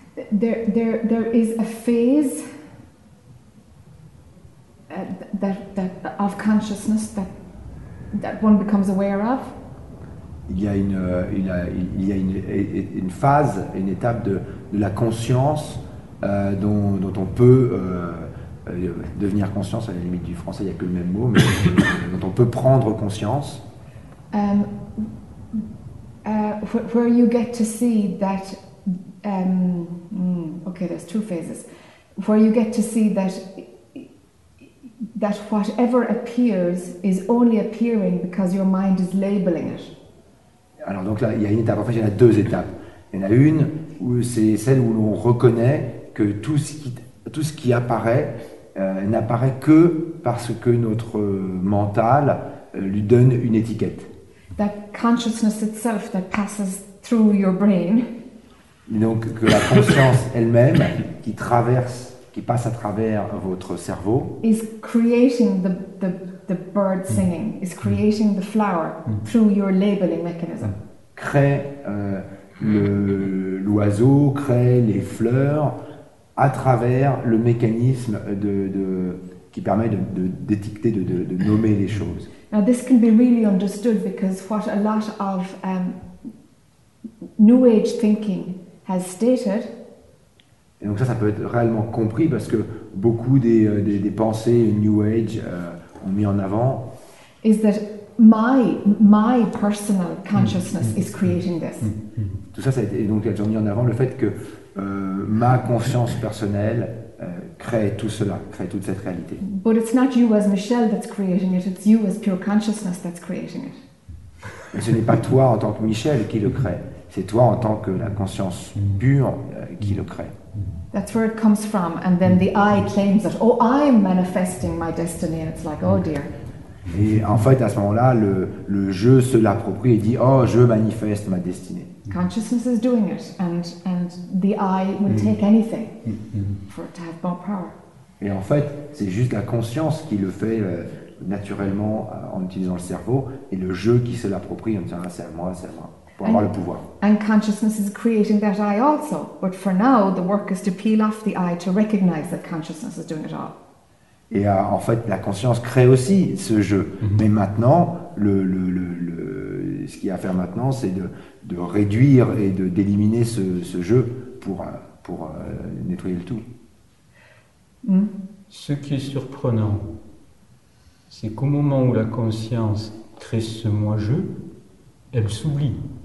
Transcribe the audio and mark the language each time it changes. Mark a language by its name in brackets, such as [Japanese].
[English] There is a phase that of consciousness that one becomes aware of. [French] Il y a une phase, une étape de la conscience dont on peut devenir conscience, à la limite du français, il n'y a que le même mot, mais dont on peut prendre conscience. [English] Where you get to see that. Okay, there's two phases. Where you get to see that whatever appears is only appearing because your mind is labeling it. [French] Alors donc là, il y a une étape. En fait, il y en a deux étapes. Il y en a une où c'est celle où l'on reconnaît que tout ce qui apparaît n'apparaît que parce que notre mental lui donne une étiquette. [English] That consciousness itself that passes through your brain. [French] Donc que la conscience elle-même qui passe à travers votre cerveau [English] is creating the bird singing, is creating the flower through your labeling mechanism. [French] Crée l'oiseau crée les fleurs à travers le mécanisme qui permet d'étiqueter, de nommer les choses. [English] Now this can be really understood because what a lot of New Age thinking has stated. [French] Et donc ça peut être réellement compris parce que beaucoup des pensées New Age ont mis en avant. [English] Is that my personal consciousness is creating this? [French] Tout ça, et donc elles ont mis en avant le fait que ma conscience personnelle crée tout cela, crée toute cette réalité. [English] But it's not you as Michelle that's creating it. It's you as pure consciousness that's creating it. [French] Mais ce n'est pas toi en tant que Michelle qui le crée. C'est toi en tant que la conscience pure qui le crée. [English] That's where it comes from, and then the I claims that. Oh, I'm manifesting my destiny, and it's like, oh dear. [French] Et en fait, à ce moment-là, le je se l'approprie et dit, oh, je manifeste ma destinée. [English] Consciousness is doing it, and the I will take anything for it to have more power. [French] Et en fait, c'est juste la conscience qui le fait naturellement en utilisant le cerveau et le je qui se l'approprie en disant, ah, c'est à moi pour avoir le pouvoir. [English] And consciousness is creating that I also, but for now, the work is to peel off the I to recognize that consciousness is doing it all. [French] Et en fait, la conscience crée aussi ce jeu. Mais maintenant, ce qu'il y a à faire maintenant, c'est de réduire et d'éliminer ce jeu pour nettoyer le tout. Ce qui est surprenant, c'est qu'au moment où la conscience crée ce moi-jeu, elle s'oublie.